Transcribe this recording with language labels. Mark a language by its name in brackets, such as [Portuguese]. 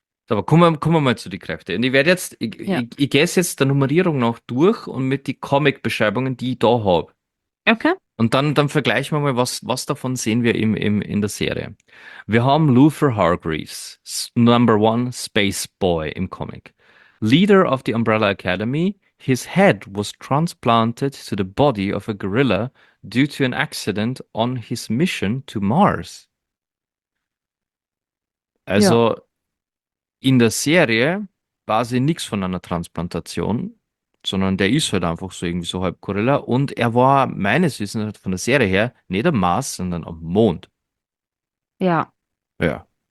[German] Aber kommen wir mal zu den Kräften. Und ich gehe jetzt der Nummerierung nach durch und mit den Comic-Beschreibungen, die ich da habe. Okay. Und dann vergleichen wir mal, was davon sehen wir in der Serie. Wir haben Luther Hargreaves, Number One Space Boy im Comic. [English] Leader of the Umbrella Academy, his head was transplanted to the body of a gorilla due to an accident on his mission to Mars. [German] Ja. Also in der Serie war sie nichts von einer Transplantation. Sondern der ist halt einfach so irgendwie so halb Gorilla. Und er war meines Wissens halt von der Serie her nicht am Mars, sondern am Mond. Ja. Ja.